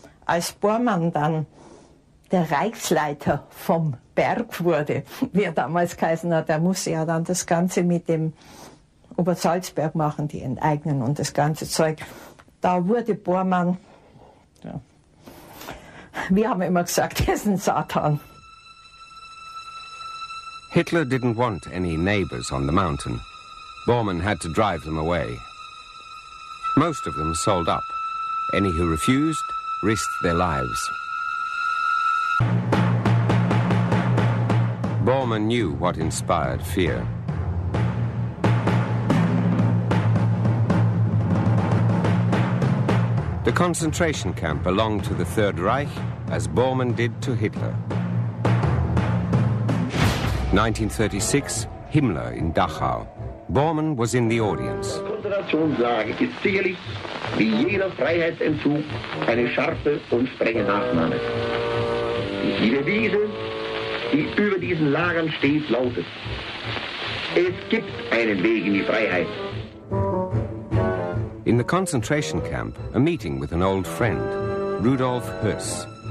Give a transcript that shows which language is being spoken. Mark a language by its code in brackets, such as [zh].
[de] Als Bormann dann der Reichsleiter vom Berg wurde, wie er damals geheißen hat, der musste ja dann das Ganze mit dem Obersalzberg machen, die enteignen und das ganze Zeug. Da wurde Bormann, ja, wir haben immer gesagt, er ist ein Satan. [en] Hitler didn't want any neighbors on the mountain. Bormann had to drive them away. Most of them sold up. Any who refused risked their lives. Bormann knew what inspired fear. The concentration camp belonged to the Third Reich, as Bormann did to Hitler. 1936, Himmler in Dachau. Bormann was in the audience. [de] Die Konzentrationslage ist sicherlich, wie jeder Freiheitsentzug, eine scharfe und strenge Nachnahme. Die Devise, die über diesen Lagern steht, lautet: Es gibt einen Weg in die Freiheit. [en] In the concentration camp, a meeting with an old friend, Rudolf Höss.